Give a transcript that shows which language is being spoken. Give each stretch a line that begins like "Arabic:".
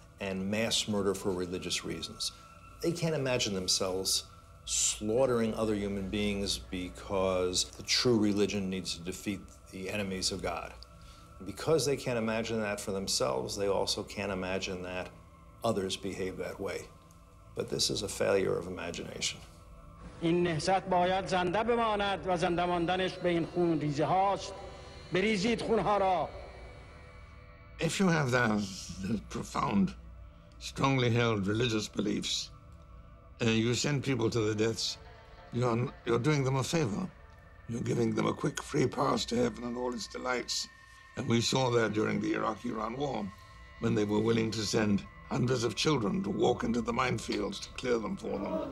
English: and mass murder for religious reasons. They can't imagine themselves slaughtering other human beings because the true religion needs to defeat the enemies of God. Because they can't imagine that for themselves, they also can't imagine that others behave that way. But this is a failure of imagination.
Persian: این نهضت باید زنده بماند و زنده ماندنش به این خون ریزه هاست. بریزید خون ها را.
English: If you have those profound, strongly held religious beliefs, you send people to the deaths, you're doing them a favor. You're giving them a quick free pass to heaven and all its delights. And we saw that during the Iraq-Iran war, when they were willing to send hundreds of children to walk into the minefields to clear them for them.